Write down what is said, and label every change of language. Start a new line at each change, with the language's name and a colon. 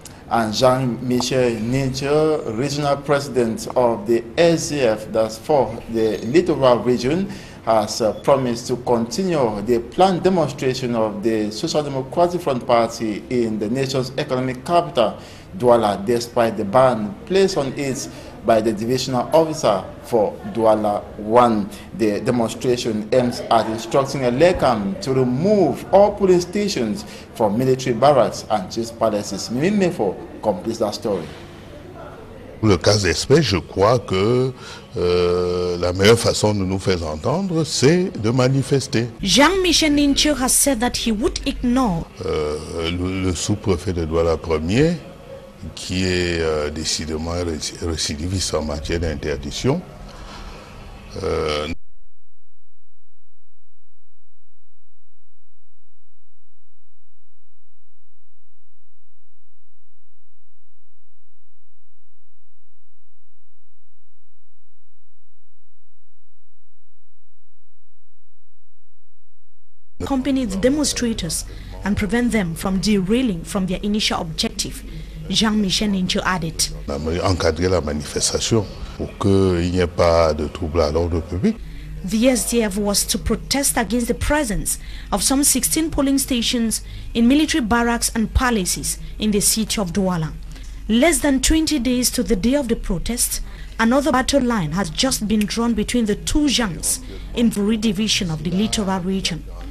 English: And Jean-Michel Nature, regional president of the SCF, that's for the Littoral region, has promised to continue the planned demonstration of the Social Democratic Front Party in the nation's economic capital, Douala, despite the ban placed on it by the divisional officer for Douala 1. The demonstration aims at instructing ELECAM to remove all police stations from military barracks and chief palaces. Mimi Mefo completes that story.
French: Le cas d'espèce, je crois que la meilleure façon de nous faire entendre, c'est de manifester.
English: Jean-Michel Ninture has said that he would ignore
French: le sous-préfet de Douala 1er, qui est décidément récidiviste en matière d'interdiction.
English: Accompany the demonstrators and prevent them from derailing from their initial objective. Jean-Michel Ninchu added.
French: On a encadré la manifestation pour qu'il n'y ait pas de troubles à l'ordre public.
English: The SDF was to protest against the presence of some 16 polling stations in military barracks and palaces in the city of Douala. Less than 20 days to the day of the protest, another battle line has just been drawn between the two gangs in the Vuri division of the Littoral region.